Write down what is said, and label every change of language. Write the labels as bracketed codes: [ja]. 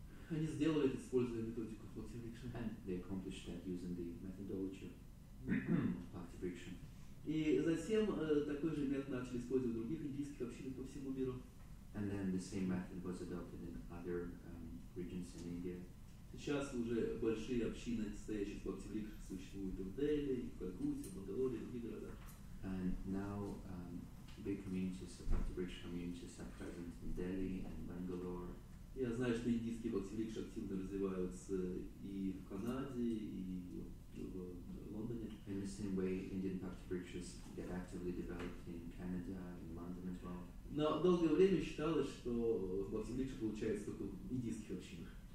[ru] Они сделали это, используя методику Бхактивриксха. [en] And they accomplished that using the methodology of Bhaktivriksha. [ru] И затем такой же метод начали использовать в других индийских общинах по всему миру. [en] And then the same method was adopted in other regions in India. [ru] Сейчас уже большие общины, состоящие в Бхактивриксха, существуют в Дели, в Калькутте, в Бангалоре, в других городах. [en] And now big communities, Bhaktivriksha communities are present in Delhi and Bangalore. [ru] Я знаю, что индийские Бхактивриксха активно развиваются и в Канаде, и в Лондоне. [en] In the same way, Indian Bhaktivrikshas get actively developed in Canada, in London as well. [ru] Но долгое время считалось, что Бхактивриксха получается только в индийских общинах.